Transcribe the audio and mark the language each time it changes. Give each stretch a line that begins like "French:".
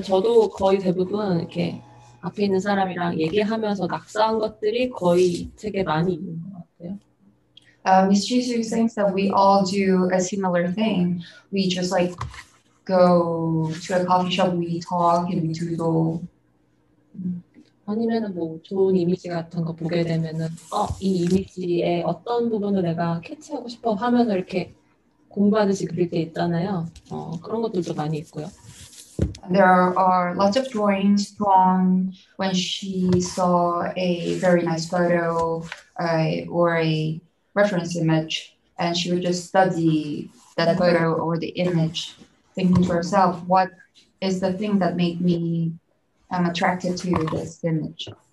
Korean: 저도 거의 대부분 이렇게 앞에 있는 사람이랑 얘기하면서 낙서한 것들이 거의 책에 많이 있는 것 같아요.
English: Ms. Jisoo thinks that we all do a similar thing. We just like go to a coffee shop, we talk and we doodle.
Korean: 아니면 뭐 좋은 이미지 같은 거 보게 되면은 이 이미지의 어떤 부분을 내가 캐치하고 싶어 하면서 이렇게 공부하듯이 그릴 때 있잖아요. 그런 것들도 많이 있고요.
English: There are lots of drawings drawn when she saw a very nice photo or a reference image, and she would just study that photo or the image, thinking to herself, what is the thing that made me attracted to this image?